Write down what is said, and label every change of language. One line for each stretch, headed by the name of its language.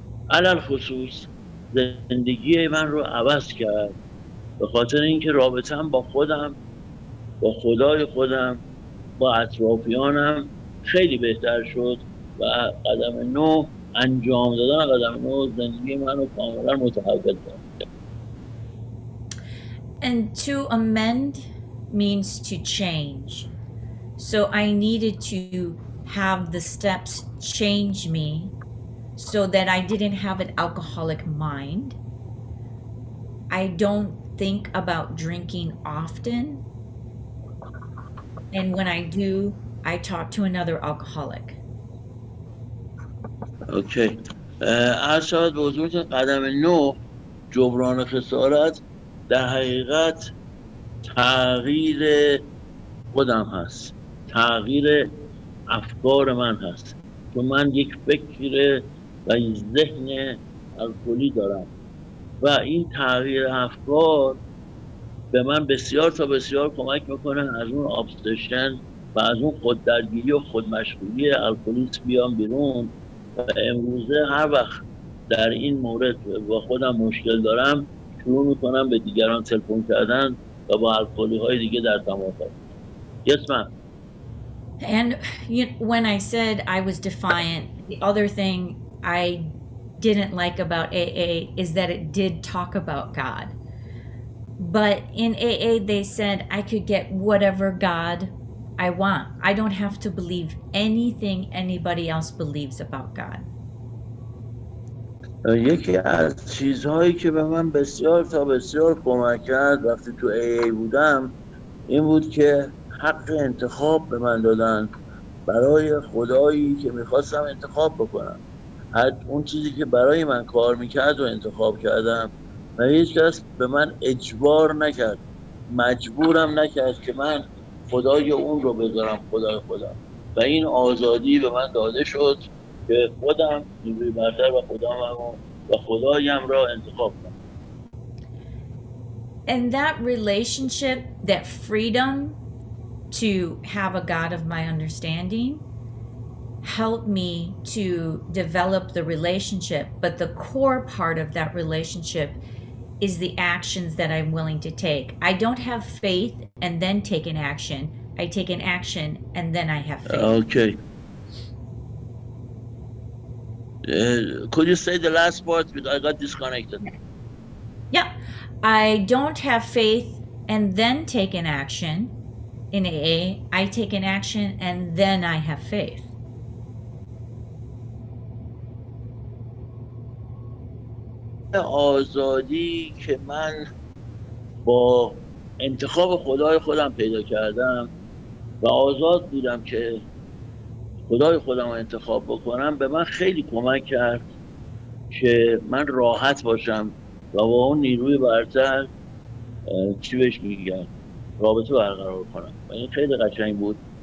Persian: علل خصوص زندگی من رو عوض کرد، به خاطر اینکه رابطه‌ام با خودم، با خدای خودم، با اطرافیانم خیلی بهتر شد و قدم 9، انجام دادن قدم 9، زندگی منو کاملا متحول کرد.
English: And to amend means to change. So I needed to have the steps change me so that I didn't have an alcoholic mind. I don't think about drinking often. And when I do, I talk to another alcoholic. Okay.
Persian: از شاید بزرگ قدم 9 جبران خسارت در حقیقت تغییر خودم هست، تغییر افکار من هست، چون من یک فکر و ذهن الکلی دارم و این تغییر افکار به من بسیار تا بسیار کمک میکنه از اون ابسشن و از اون خوددرگیری و خودمشغولی الکلیست بیام بیرون و امروزه هر وقت در این مورد با خودم مشکل دارم شروع میکنم به دیگران تلفن کردن و با الکلی های دیگه در تماس هستم.
English: Yes, ma'am. And you know, when I said I was defiant, the other thing I didn't like about AA is that it did talk about God. But in AA, they said I could get whatever God I want. I don't have to believe anything anybody else believes about God.
Persian: یکی از چیزهایی که به من بسیار تا بسیار کمک کرد وقتی تو AA بودم این بود که حق انتخاب به من دادن برای خدایی که میخواستم انتخاب بکنم. حتی اون چیزی که برای من کار میکرد و انتخاب کردم و هیچ کس به من اجبار نکرد، مجبورم نکرد که من خدای اون رو بذارم خدای خودم، و این آزادی به من داده شد که خودم نیروی برتر و خودم و خدایم را انتخاب کنم.
English: And that relationship, that freedom to have a God of my understanding help me to develop the relationship, but the core part of that relationship is the actions that I'm willing to take. I don't have faith and then take an action. I take an action and then I have faith. Okay. Could you say the last part? Because I got disconnected. Yeah. I don't have faith and then take an action in AA. I take an action and then I have faith.
Persian: آزادی که من با انتخاب خدای خودم پیدا کردم و آزاد بودم که خدای خودم رو انتخاب بکنم به من خیلی کمک کرد که من راحت باشم و با اون نیروی برتر چی بهش میگن رابطه برقرار کنم و این خیلی قشنگ بود.